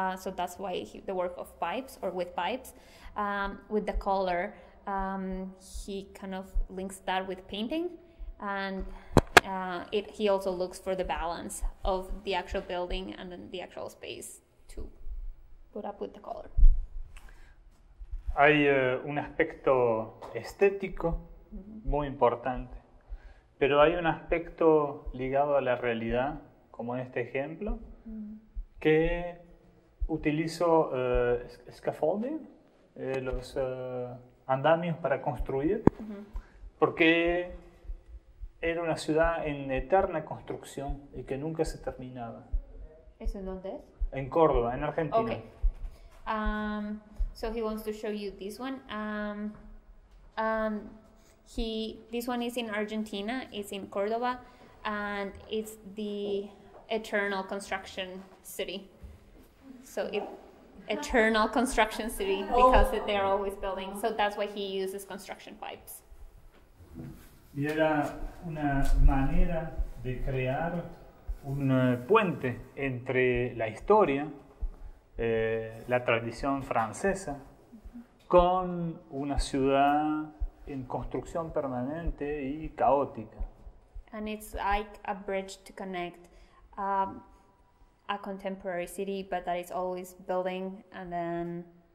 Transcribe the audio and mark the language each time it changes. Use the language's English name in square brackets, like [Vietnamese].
[English] So that's why the work of pipes, or with pipes, with the color. He kind of links that with painting. And he also looks for the balance of the actual building and then the actual space to put up with the color. [Spanish] Hay un aspecto estético muy importante, pero hay un aspecto ligado a la realidad, como en este ejemplo, mm-hmm. que utilizo scaffolding, los andamios para construir, porque era una ciudad en eterna construcción y que nunca se terminaba. ¿Es en dónde? En Córdoba, en Argentina. [English] Okay. So he wants to show you this one. This one is in Argentina, it's in Córdoba, and it's the eternal construction city. So it eternal construction city because they are always building. So that's why he uses construction pipes. [Spanish] Y era una manera de crear un puente entre la historia, la tradición francesa, con una ciudad en construcción permanente y caótica. [English] And it's like a bridge to connect a contemporary city, but that is always building, and then